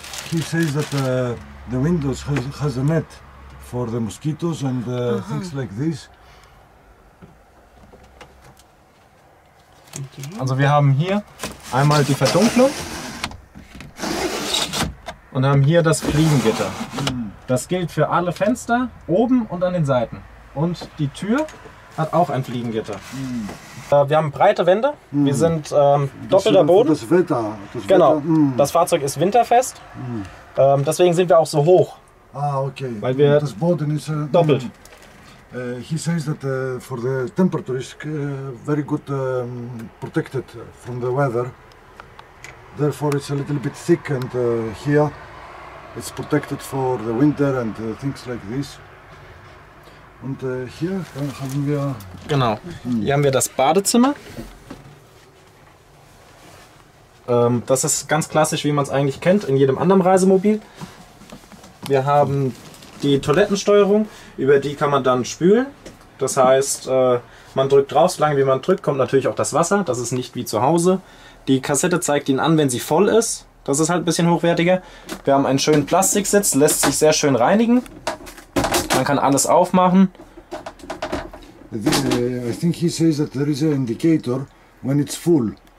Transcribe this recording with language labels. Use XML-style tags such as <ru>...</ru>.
<en>He says that the windows has a net for the mosquitoes and things like this.</en> <de>Also wir haben hier einmal die Verdunklung und haben hier das Fliegengitter. Das gilt für alle Fenster, oben und an den Seiten. Und die Tür hat auch ein Fliegengitter. Wir haben breite Wände, wir sind doppelter Boden. Das Wetter. Genau, das Fahrzeug ist winterfest, deswegen sind wir auch so hoch. Ah, okay. Weil wir das Boden ist doppelt.</de> <en>He says that for the temperature is very good protected from the weather. Therefore it's a little bit thick and here it's protected for the winter and things like this.</en> <de>Und hier haben wir... Genau, hier haben wir das Badezimmer. Das ist ganz klassisch, wie man es eigentlich kennt, in jedem anderen Reisemobil. Wir haben die Toilettensteuerung, über die kann man dann spülen. Das heißt, man drückt drauf, so lange wie man drückt, kommt natürlich auch das Wasser. Das ist nicht wie zu Hause. Die Kassette zeigt Ihnen an, wenn sie voll ist. Das ist halt ein bisschen hochwertiger. Wir haben einen schönen Plastiksitz, lässt sich sehr schön reinigen. Man kann alles aufmachen.</de> <en>I think he says that there is an indicator when it's full.</en>